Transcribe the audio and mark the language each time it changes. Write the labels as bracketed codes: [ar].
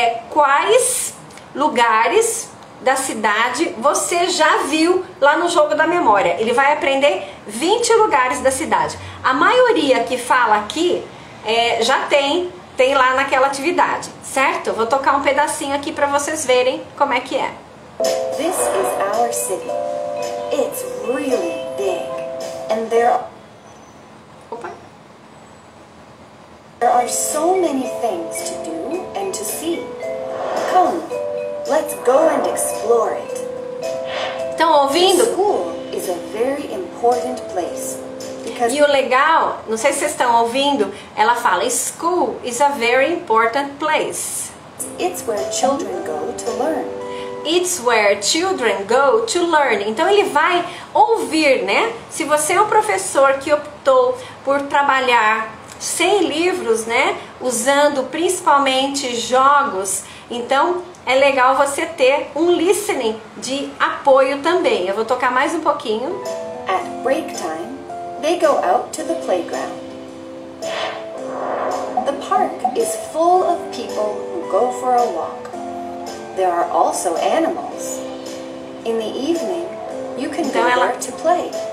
[pt] Quais lugares da cidade você já viu lá no jogo da memória? Ele vai aprender 20 lugares da cidade. A maioria que fala aqui já tem lá naquela atividade, certo? Vou tocar um pedacinho aqui para vocês verem como é que é. [en] This is our city. It's really big. And there are so many things to do and to see. Come. Let's go and explore it. [pt] Estão ouvindo? [en] The school is a very important place. [pt] E o legal, não sei se vocês estão ouvindo, ela fala, [en] school is a very important place. It's where children go to learn. It's where children go to learn. [pt] Então ele vai ouvir, né? Se você é um professor que optou por trabalhar sem livros, né? Usando principalmente jogos, então é legal você ter um listening de apoio também. Eu vou tocar mais um pouquinho. [en] At break time, they go out to the playground. The park is full of people who go for a walk. There are also animals. In the evening, you can go there to play.